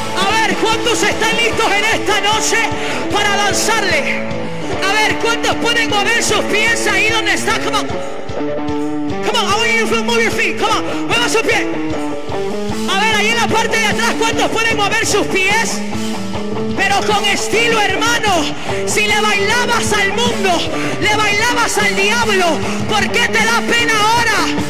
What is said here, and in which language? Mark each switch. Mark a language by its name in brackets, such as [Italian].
[Spanish] A ver, ¿cuántos están listos en esta noche para danzarle? A ver, ¿cuántos pueden mover sus pies ahí donde está? [English] Come on. Come on, I want you to move your feet. Come on, [Spanish] mueva sus pies. A ver, ahí en la parte de atrás, ¿cuántos pueden mover sus pies? Pero con estilo, hermano. Si le bailabas al mundo, le bailabas al diablo, ¿por qué te da pena ahora?